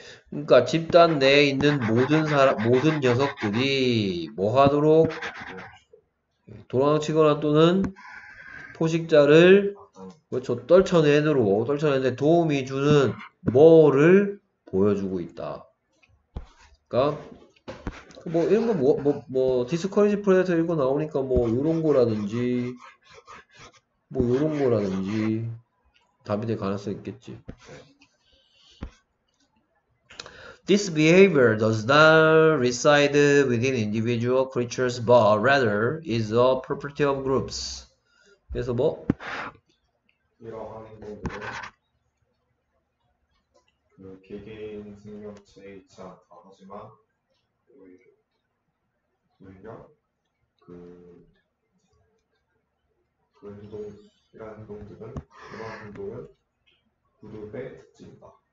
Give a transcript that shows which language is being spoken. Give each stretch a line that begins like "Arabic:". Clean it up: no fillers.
Korean: 그러니까 집단 내에 있는 모든 사람, 모든 녀석들이 뭐 하도록 도망치거나 또는 포식자를 그렇죠, 떨쳐내는데 도움이 주는 뭐를 보여주고 있다. 그러니까 뭐 이런 거뭐 디스커리지 프레데터 이거 나오니까 뭐 요런 거라든지 뭐 요런 거라든지 답이 될 가능성 있겠지.
English: This behavior does not reside within individual creatures, but rather is a property of groups.
Korean: 그래서 뭐? 이러한 행동들은 그 개개인 생명체에 있지 않다. 하지만 오히려 그 행동, 이러한 행동들은 그러한 행동을 그룹의 특징이다.